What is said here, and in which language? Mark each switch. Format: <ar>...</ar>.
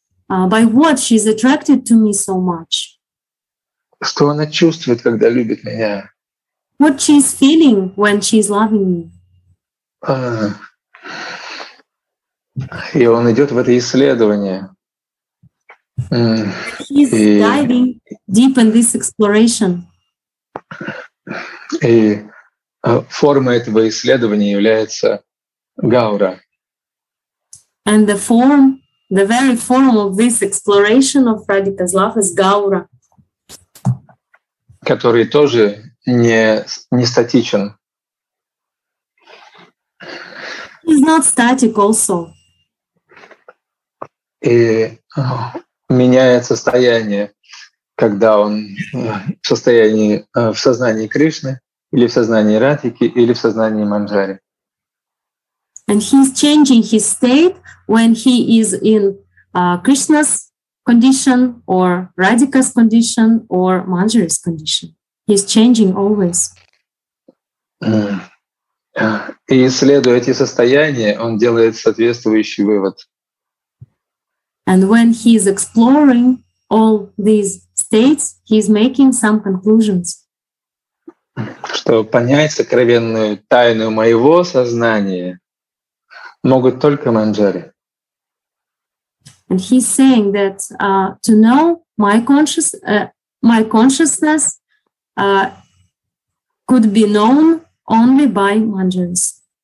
<en>By what she's attracted to me so much?</en> <ru>Что она чувствует, когда любит меня?</ru> <en>What she's feeling when she's loving me?</en> <ru>И он идет в это исследование.</ru> <en>Diving deep in this exploration.</en> <ru>И форма этого исследования является Гаура.</ru> <en>And the form, the very form of this exploration of Radhika's love is Gaura.</en> <ru>Который тоже не статичен.</ru> <en>He's not static also.</en> <ru>И меняет состояние, когда он в состоянии в сознании Кришны, или в сознании Радхики, или в сознании Манджари.</ru> <en>And he's changing his state when he is in Krishna's condition or Radhika's condition or Manjari's condition. He's changing always.</en> <ru>И исследуя эти состояния, он делает соответствующий вывод.</ru> <en>And when he is exploring all these states, he's making some conclusions.</en> <ru>Чтобы понять сокровенную тайну моего сознания, могут только Манджари.</ru> <en>And he's saying that to know my consciousness could be known only by Manjaris.</en>